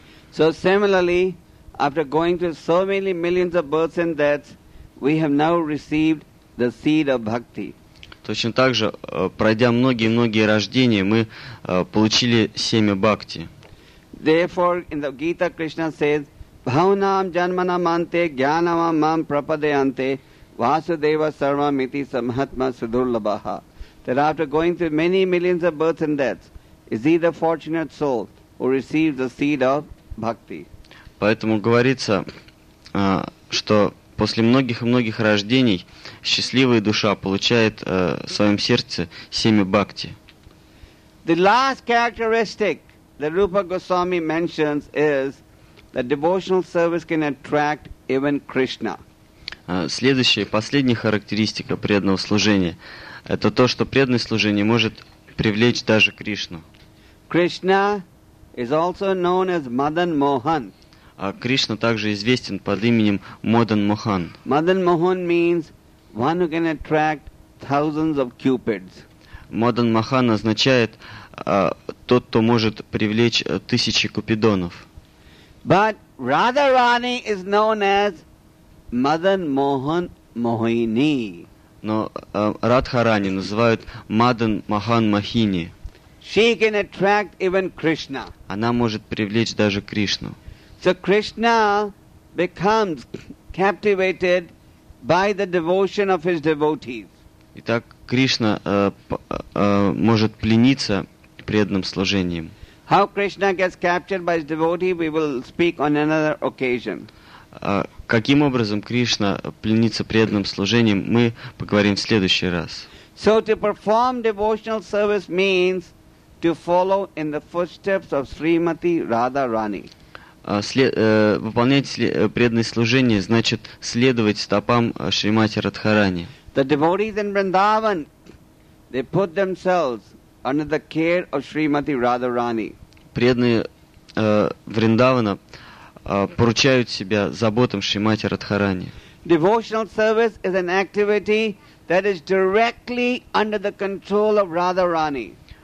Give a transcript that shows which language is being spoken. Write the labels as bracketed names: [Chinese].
[English] So similarly, after going through so many millions of births and deaths, we have now received the seed of bhakti. [Russian] Точно так же, пройдя многие-многие рождения, мы получили семя бхакти. [English] Therefore, in the Gita, Krishna says, [Sanskrit] Bhavanam janmanamante jnanamam mam prapadayante vasudeva sarvamiti samhatma sudurlabaha. [English] That after going through many millions of births and deaths, is he the fortunate soul who receives the seed of bhakti. [Russian] Поэтому говорится, что после многих и многих рождений счастливая душа получает в своем сердце семя бхакти. [English] The last characteristic that Rupa Goswami mentions is that devotional service can attract even Krishna. [Russian] Следующая, последняя характеристика преданного служения – это то, что преданное служение может привлечь даже Кришну. [English] Krishna is also known as Madan Mohan. [Russian] А Кришна также известен под именем Мадан Мохан. [English] Мадан Мохан means one who can attract thousands of cupids. [Russian] Мадан Мохан означает тот, кто может привлечь тысячи купидонов. [English] But Radharani is known as Мадан Мохан Мохини. [Russian] Но Радхарани называют Мадан Мохан Мохини. [English] She can attract even Krishna. [Russian] Она может привлечь даже Кришну. [English] So Krishna becomes captivated by the devotion of his devotees. [Russian] Итак, Кришна может плениться преданным служением. [English] How Krishna gets captured by his devotee, we will speak on another occasion. [Russian] Каким образом Кришна пленится преданным служением, мы поговорим в следующий раз. [English] So to perform devotional service means to follow in the footsteps of Srimati Radharani. [Russian] Выполнять преданное служение значит следовать стопам Шримати Радхарани. [English] The devotees in Vrindavan, they put themselves under the care of Srimati Radharani. [Russian] Преданные Вриндавана поручают себя заботам Шримати Радхарани. [English] Devotional service is an activity that is directly under the control of Radharani.